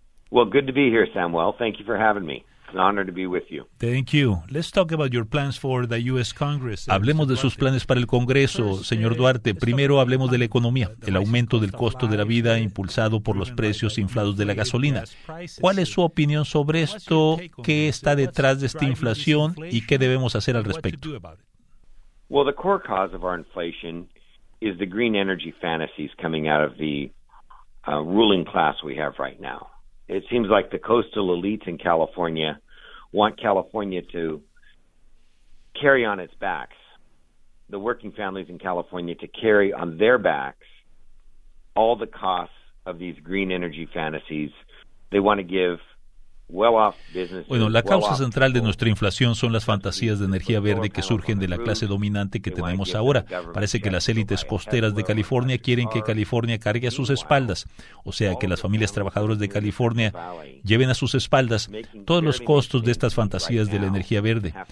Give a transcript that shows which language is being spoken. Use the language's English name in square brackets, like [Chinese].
[English] Well, good to be here, Samuel. Thank you for having me. It's an honor to be with you. Thank you. Let's talk about your plans for the U.S. Congress. [Spanish] Hablemos de sus planes para el Congreso, señor Duarte. Primero, hablemos de la economía, el aumento del costo de la vida impulsado por los precios inflados de la gasolina. ¿Cuál es su opinión sobre esto? ¿Qué está detrás de esta inflación y qué debemos hacer al respecto? [English] Well, the core cause of our inflation is the green energy fantasies coming out of the ruling class we have right now. It seems like the coastal elites in California want California to carry on its backs, the working families in California to carry on their backs all the costs of these green energy fantasies. They want to give [Spanish] Bueno, la causa central de nuestra inflación son las fantasías de energía verde que surgen de la clase dominante que tenemos ahora. Parece que las élites costeras de California quieren que California cargue a sus espaldas, o sea, que las familias trabajadoras de California lleven a sus espaldas todos los costos de estas fantasías de la energía verde.